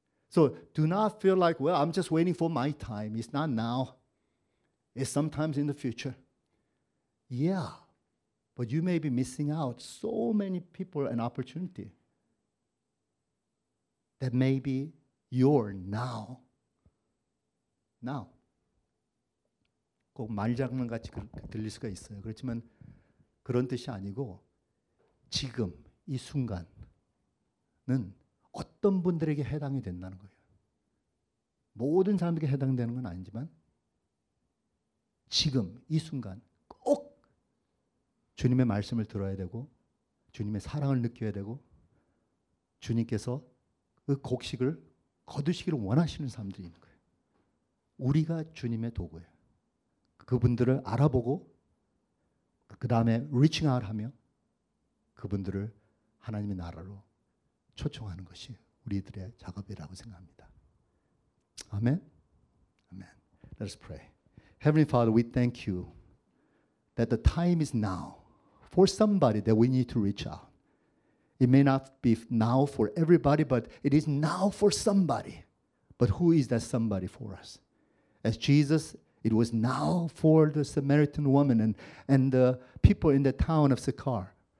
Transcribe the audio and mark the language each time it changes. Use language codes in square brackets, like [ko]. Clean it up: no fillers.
[en] So do not feel like, well, I'm just waiting for my time. It's not now. It's sometimes in the future. Yeah, But you may be missing out so many people and opportunity that may be your now. Now. [ko] 꼭 말장난 같이 들릴 수가 있어요. 그렇지만 그런 뜻이 아니고 지금 이 순간은 어떤 분들에게 해당이 된다는 거예요. 모든 사람들에게 해당되는 건 아니지만 지금 이 순간 꼭 주님의 말씀을 들어야 되고 주님의 사랑을 느껴야 되고 주님께서 그 곡식을 거두시기를 원하시는 사람들이 있는 거예요. 우리가 주님의 도구예요. 그분들을 알아보고 그 다음에 [en] reaching out [ko] 하며 그분들을 하나님의 나라로 초청하는 것이 우리들의 작업이라고 생각합니다. 아멘. 아멘. [en] Let us pray. Heavenly Father, we thank you that the time is now for somebody that we need to reach out. It may not be now for everybody, but it is now for somebody. But who is that somebody for us? As Jesus, it was now for the Samaritan woman and the people in the town of Sychar.